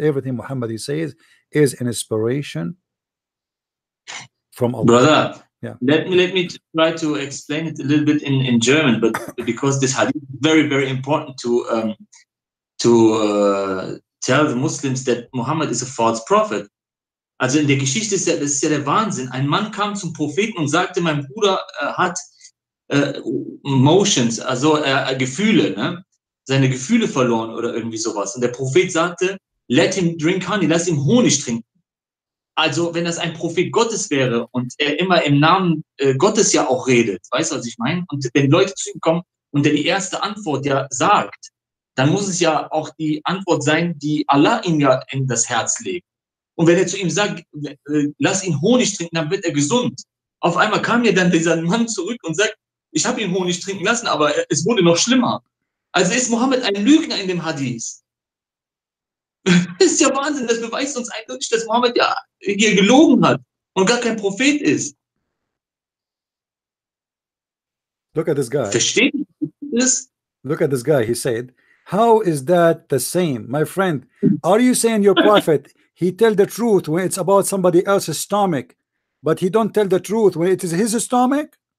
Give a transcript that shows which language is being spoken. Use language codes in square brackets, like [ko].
[en] Everything Muhammad he says is an inspiration from Allah. Brother, yeah. Let me try to explain it a little bit in German, but because this hadith is very, very important to tell the Muslims that Muhammad is a false prophet. [de] Also in der Geschichte ist das ja der Wahnsinn. Ein Mann kam zum Propheten und sagte, mein Bruder hat Motions, also Gefühle, ne? Seine Gefühle verloren oder irgendwie sowas. Und der Prophet sagte, [en] let him drink honey, [de] lass ihm Honig trinken. Also wenn das ein Prophet Gottes wäre und er immer im Namen Gottes ja auch redet, weißt du, was ich meine? Und wenn Leute zu ihm kommen und er die erste Antwort ja sagt, dann muss es ja auch die Antwort sein, die Allah ihm ja in das Herz legt. Und wenn er zu ihm sagt, lass ihn Honig trinken, dann wird er gesund. Auf einmal kam ja dann dieser Mann zurück und sagt, ich habe ihn Honig trinken lassen, aber es wurde noch schlimmer. Also ist Mohammed ein Lügner in dem Hadith? Ist ja Wahnsinn, das beweist uns eindeutig, dass Mohammed ja hier gelogen hat und gar kein Prophet ist. [en] Look at this guy. [de] Versteht ihr das? [en] Look at this guy, he said, how is that the same, my friend? Are you saying your prophet, he tell the truth when it's about somebody else's stomach, but he don't tell the truth when it is his stomach?